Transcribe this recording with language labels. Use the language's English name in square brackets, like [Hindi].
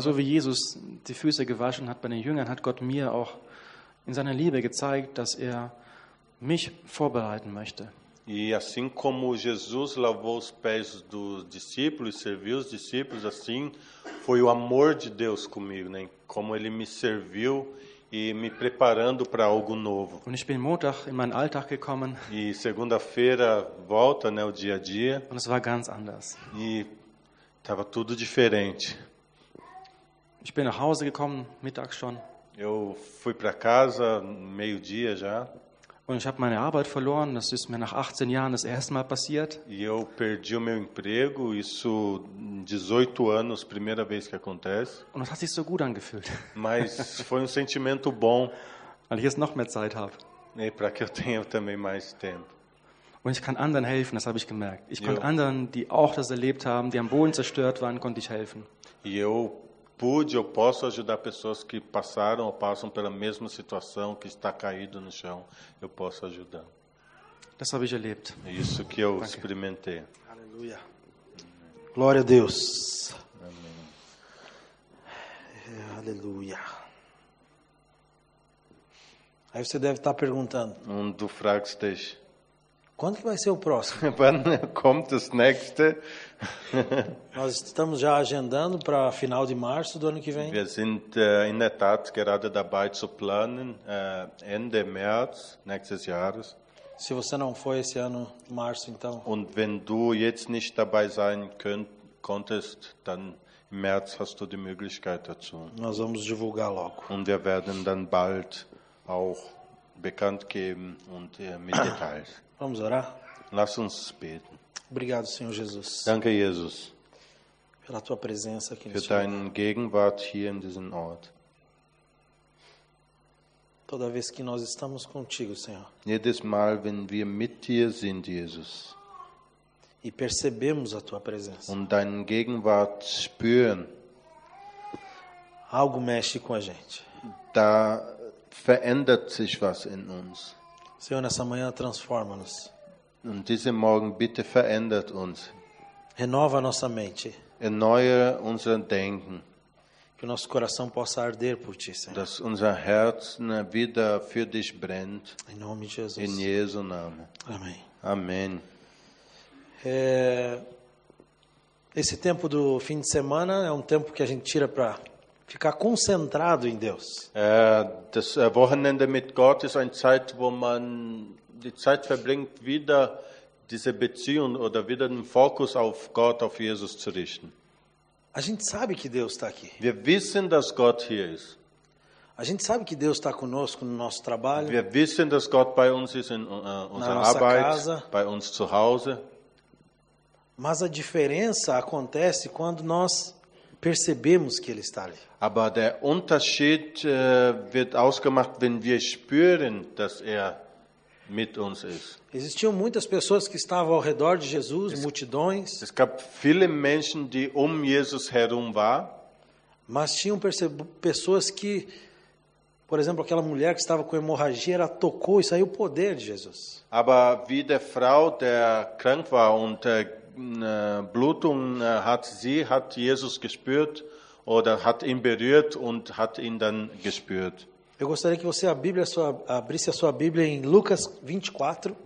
[German] So wie Jesus die Füße gewaschen hat bei den Jüngern, hat Gott mir auch in seiner Liebe gezeigt, dass er mich vorbereiten möchte. [Portuguese] E assim como Jesus lavou os pés dos discípulos, serviu os discípulos, assim foi o amor de Deus comigo, né? Como ele me serviu e me preparando para algo novo. [German] Und ich bin Montag in meinen Alltag gekommen. [Portuguese] E segunda-feira volta, né, o dia a dia. [German] Und es war ganz anders. [Portuguese] E estava tudo diferente. [German] Ich bin nach Hause gekommen, mittags schon. [Portuguese] Eu fui para casa meio-dia já. [German] Und ich habe meine Arbeit verloren, das ist mir nach 18 Jahren das erste Mal passiert. [Portuguese] E eu perdi o meu emprego, isso 18 anos, primeira vez que acontece. [German] Und das hat sich so gut angefühlt. [Portuguese] Mas foi sentimento bom. [German] Weil ich jetzt noch mehr Zeit habe. [Portuguese] E para que eu tenha também mais tempo. [German] Und ich kann anderen helfen, das habe ich gemerkt. Ich konnte anderen, die auch das erlebt haben, die am Boden zerstört waren, konnte ich helfen. [Portuguese] E eu pude, eu posso ajudar pessoas que passaram ou passam pela mesma situação, que está caído no chão, eu posso ajudar. [German] Das habe ich erlebt. [Portuguese] Isso que eu [German] Danke. [Portuguese] Experimentei. Aleluia. Glória a Deus. Amém. Aleluia. Aí você deve estar perguntando. Do Fragstech. Quando que vai ser o próximo? Quando [German] kommt das nächste? [Portuguese] Nós estamos já agendando para final de março do ano que vem. [German] Wir sind in der Tat gerade dabei zu planen Ende März nächstes Jahres. [Portuguese] Se você não foi esse ano março então. [German] Und wenn du jetzt nicht dabei sein konntest, dann im März hast du die Möglichkeit dazu. [Portuguese] Nós vamos divulgar logo. [German] Und wir werden dann bald auch bekannt geben und mit Details. [Portuguese] Vamos orar? [German] Lass uns beten. [Portuguese] Obrigado, Senhor Jesus. [German] Danke, Jesus. [Portuguese] Pela tua presença aqui neste lugar. [German] Für deine Gegenwart hier in diesem Ort. [Portuguese] Toda vez que nós estamos contigo, Senhor. [German] Jedes Mal, wenn wir mit dir sind, Jesus. [Portuguese] E percebemos a tua presença. [German] Und deine Gegenwart spüren. [Portuguese] Algo mexe com a gente. [German] Da verändert sich was in uns. [Portuguese] Senhor, nessa manhã transforma-nos. [German] Und diesen Morgen bitte verändert uns. [Portuguese] Renova nossa mente. [German] Erneuere unser Denken. [Portuguese] Que nosso coração possa arder por ti, Senhor. [German] Dass unser Herz [Portuguese] na vida [German] für dich brennt. [Portuguese] Em nome de Jesus. [German] In Jesu Name. [Portuguese] Amém. Amém. Esse tempo do fim de semana é um tempo que a gente tira para ficar concentrado em Deus. [German] Das Wochenende mit Gott ist eine Zeit, wo man die Zeit verbringt, wieder diese Beziehung oder wieder den Fokus auf Gott, auf Jesus zu richten. [Portuguese] A gente sabe que Deus está aqui. [German] Wir wissen, dass Gott hier ist. [Portuguese] A gente sabe que Deus está conosco no nosso trabalho. [German] Wir wissen, dass Gott bei uns ist in unserer Arbeit, [Portuguese] casa. [German] Bei uns zu Hause. [Portuguese] Mas a diferença acontece quando nós percebemos que ele está ali. [German] Aber der Unterschied wird ausgemacht, wenn wir spüren, dass mit uns ist. [Portuguese] Existiam muitas pessoas que estavam ao redor de Jesus, multidões. [German] Es gab viele Menschen, die Jesus herum war. [Portuguese] Mas tinham pessoas que, por exemplo, aquela mulher que estava com hemorragia, ela tocou e saiu o poder de Jesus. [German] Aber wie der Frau, der krank war und Blutung hat, sie hat Jesus gespürt oder hat ihn berührt und hat ihn dann gespürt. [Portuguese] Eu gostaria que você abrisse a sua Bíblia em Lucas 24.